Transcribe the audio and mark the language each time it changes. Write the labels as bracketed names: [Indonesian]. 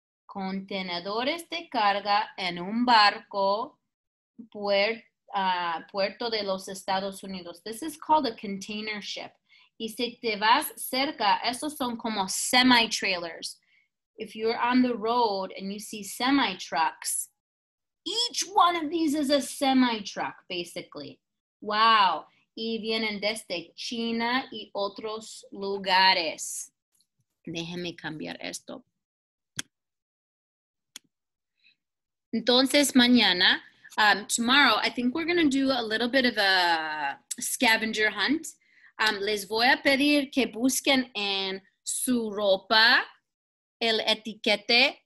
[Spanish] Contenedores de carga en un barco puerto de los Estados Unidos. [English] This is called a container ship. [Spanish] Y si te vas cerca, estos son como semi-trailers. [English] If you're on the road and you see semi-trucks, each one of these is a semi-truck, basically. Wow. [Spanish] Y vienen desde China y otros lugares. Déjeme cambiar esto. Entonces, mañana, [English] tomorrow, I think we're going to do a little bit of a scavenger hunt. [Spanish] Les voy a pedir que busquen en su ropa el etiquete.